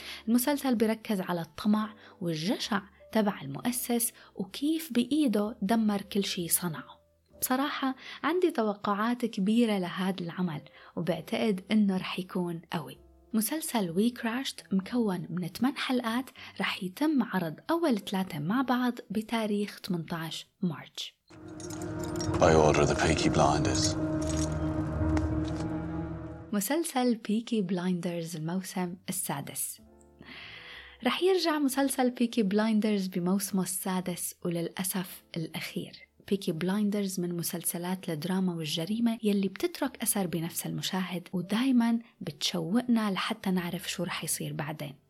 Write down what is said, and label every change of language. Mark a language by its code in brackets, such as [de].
[ar] المسلسل بيركز على الطمع والجشع تبع المؤسس وكيف بإيده دمر كل شيء صنعه. بصراحة عندي توقعات كبيرة لهذا العمل وبعتقد إنه رح يكون قوي. مسلسل وي كراشت مكون من 8 حلقات رح يتم عرض أول 3 مع بعض بتاريخ 18 مارتش. [en] By order of the Peaky Blinders. [ar] مسلسل بيكي بلايندرز الموسم السادس. رح يرجع مسلسل بيكي بلايندرز بموسمه السادس وللأسف الأخير. بيكي بلايندرز من مسلسلات الدراما والجريمة يلي بتترك أثر بنفس المشاهد ودايما بتشوقنا لحتى نعرف شو رح يصير بعدين.